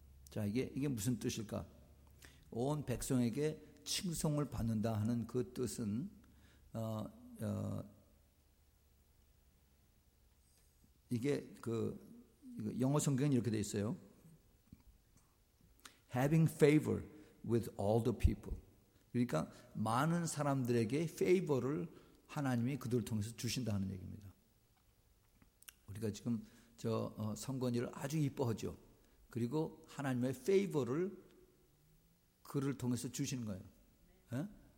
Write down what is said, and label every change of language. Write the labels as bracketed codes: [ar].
[ko] 자, 이게 무슨 뜻일까? 온 백성에게 칭송을 받는다 하는 그 뜻은 이게 그 영어 성경은 이렇게 돼 있어요. [en] Having favor with all the people. [ko] 그러니까 많은 사람들에게 favor를 하나님이 그들을 통해서 주신다 하는 얘기입니다. 우리가 지금 저 성권이를 아주 이뻐하죠. 그리고 하나님의 favor를 그를 통해서 주시는 거예요. 에?